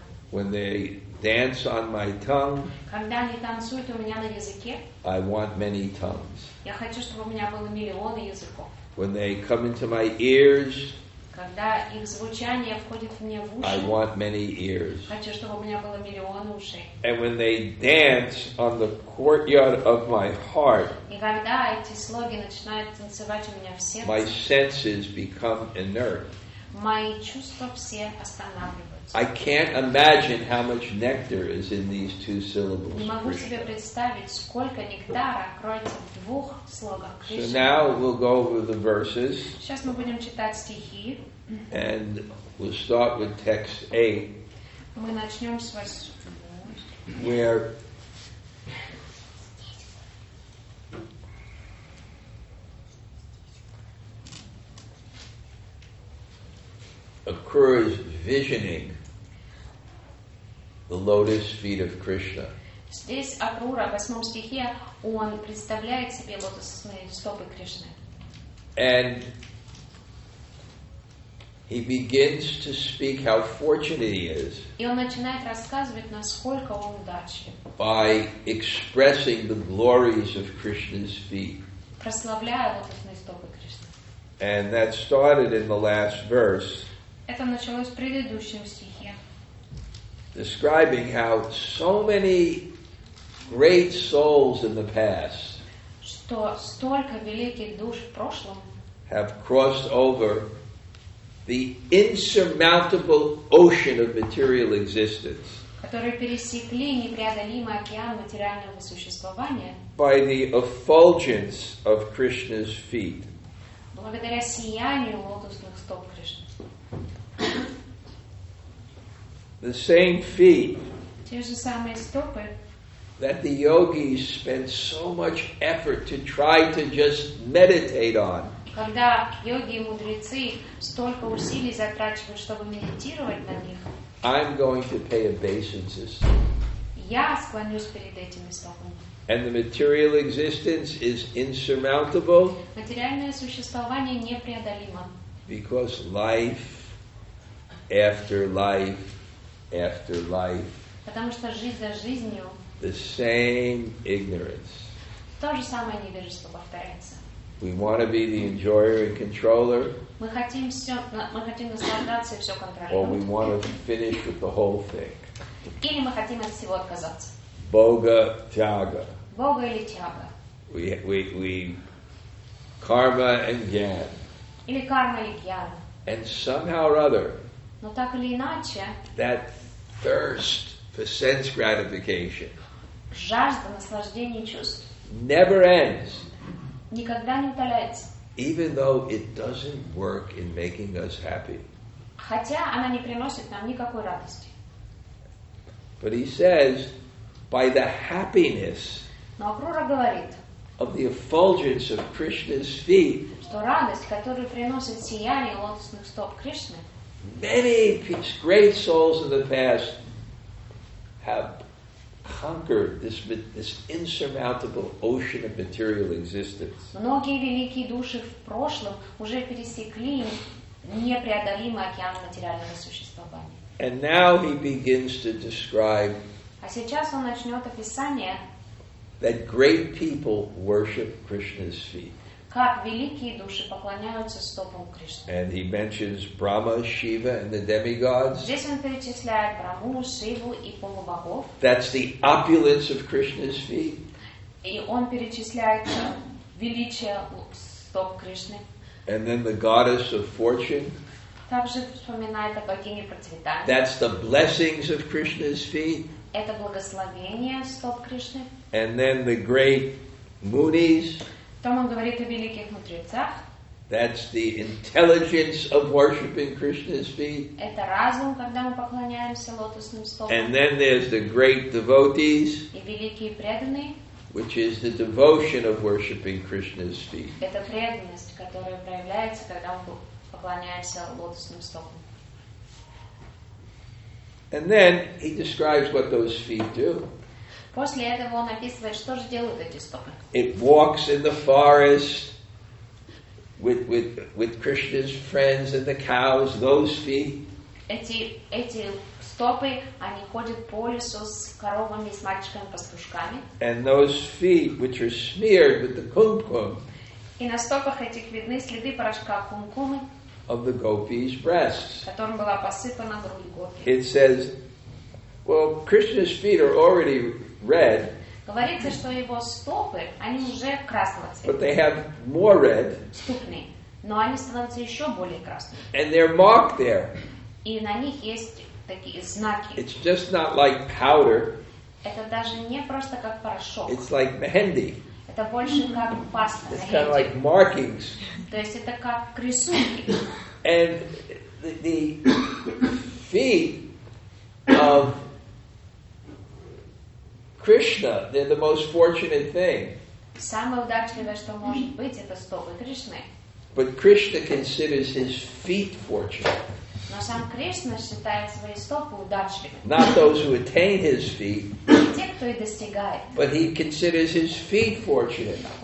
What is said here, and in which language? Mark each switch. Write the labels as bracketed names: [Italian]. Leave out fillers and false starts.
[English] When they dance on my tongue, [Russian] когда они танцуют у меня на языке, [English] I want many tongues. [Russian] Я хочу, чтобы у меня было миллионы языков. [English] When they come into my ears, [Russian] когда их звучание входит мне в уши, [English] I want many ears. [Russian] Хочу, чтобы у меня было миллионы ушей. [English] And when they dance on the courtyard of my heart, [Russian] и когда эти слоги начинают танцевать у меня в сердце, [English] my senses become inert. [Russian] Мои чувства все останавливаются. [English] I can't imagine how much nectar is in these two syllables. [Russian] Не могу себе представить, сколько нектара кроется в двух слогах. [English] So now we'll go over the verses. [Russian] Сейчас мы будем читать стихи. [English] And we'll start with text 8. [Russian] Мы начнем с [English] where occurs visioning the lotus feet of Krishna. [Russian] Здесь Акура, в восьмом стихе, он представляет себе лотосные стопы Кришны. [English] And he begins to speak how fortunate he is. [Russian] И он начинает рассказывать, насколько он удачлив. [English] By expressing the glories of Krishna's feet. [Russian] Прославляя лотосные стопы Кришны. [English] And that started in the last verse. [Russian] Это началось в предыдущем стихе. [English] Describing how so many great souls in the past [Russian] что столько великих душ в прошлом [English] have crossed over the insurmountable ocean of material existence [Russian] которые пересекли непреодолимый океан материального существования [English] by the effulgence of Krishna's feet [Russian] благодаря сиянию лотосных стоп Кришны. [English] The same feet [Russian] те же самые стопы, [English] that the yogis spend so much effort to try to just meditate on. [Russian] Когда йоги и мудрецы столько усилий затрачивают, чтобы медитировать на них, [English] I'm going to pay obeisances. [Russian] Я склонюсь перед этими стопами. [English] And the material existence is insurmountable. [Russian] Материальное существование непреодолимо. [English] Because life after life after life. [Russian] Потому что жизнь за жизнью. [English] The same ignorance. [Russian] То же самое невежество повторяется. [English] We want to be the enjoyer and controller. [Russian] Мы хотим наслаждаться и все контролировать. [English] Or we want to finish with the whole thing. [Russian] Или мы хотим от всего отказаться. Бога тяга. Бога или тяга. [English] We karma and gyan. [Russian] Или карма или гьян. [English] And somehow or other. [Russian] Но так или иначе. [English] That thirst for sense gratification. [Russian] Жажда наслаждения чувств. [English] Never ends. [Russian] Никогда не утоляется. [English] Even though it doesn't work in making us happy. [Russian] Хотя она не приносит нам никакой радости. [English] But he says, by the happiness. [Russian] Но Акрура говорит. [English] Of the effulgence of Krishna's feet. [Russian] Что радость, которую приносит сияние лотосных стоп Кришны. [English] Many great souls of the past have conquered this insurmountable ocean of material existence. [Russian] Многие великие души в прошлом уже пересекли непреодолимый океан материального существования. [English] And now he begins to describe. [Russian] А сейчас он начнет описание. [English] That great people worship Krishna's feet. [Russian] Как великие души поклоняются стопам Кришны. [English] And he mentions Brahma, Shiva, and the demigods. [Russian] Здесь он перечисляет Брахму, Шиву и полубогов. [English] That's the opulence of Krishna's feet. [Russian] И он перечисляет величие стоп Кришны. [English] And then the goddess of fortune. [Russian] Также вспоминает о богине процветания. [English] That's the blessings of Krishna's feet. [Russian] Это благословение стоп Кришны. [English] And then the great munis. [Russian] Там он говорит о великих мудрецах. [English] That's the intelligence of worshiping Krishna's feet. [Russian] Это разум, когда мы поклоняемся лотосным стопам. [English] And then there's the great devotees. [Russian] И великие преданные. [English] Which is the devotion of worshiping Krishna's feet. [Russian] Это преданность, которая проявляется, когда мы поклоняемся лотосным стопам. [English] And then he describes what those feet do. [Russian] После этого он описывает, что же делают эти стопы. [English] It walks in the forest with Krishna's friends and the cows, those feet. [Russian] Эти стопы, они ходят по лесу с коровами, с мальчиками-пастушками. [English] And those feet, which are smeared with the kumkum. [Russian] И на стопах этих видны следы порошка кумкумы. [English] Of the gopis' breasts. [Russian] Которым была посыпана грудь гопи. [English] It says, well, Krishna's feet are already red. [Russian] Говорится, что его стопы, они уже красного цвета. [English] But they have more red. [Russian] Ступни. Но они становятся еще более красными. [English] And they're marked there. [Russian] И на них есть такие знаки. [English] It's just not like powder. [Russian] Это даже не просто как порошок. [English] It's like mehendi. [Russian] Это больше как паста. [English] It's kind of like markings. [Russian] То есть это как рисунки. [English] And the feet of Krishna, they're the most fortunate thing. [Russian] Самое удачливое, что может быть, это стопы Кришны. [English] But Krishna considers his feet fortunate. [Russian] Но сам Кришна считает свои стопы удачливыми. [English] Not those who attain his feet. [Russian] Те, кто и достигает. [English] But he considers his feet fortunate.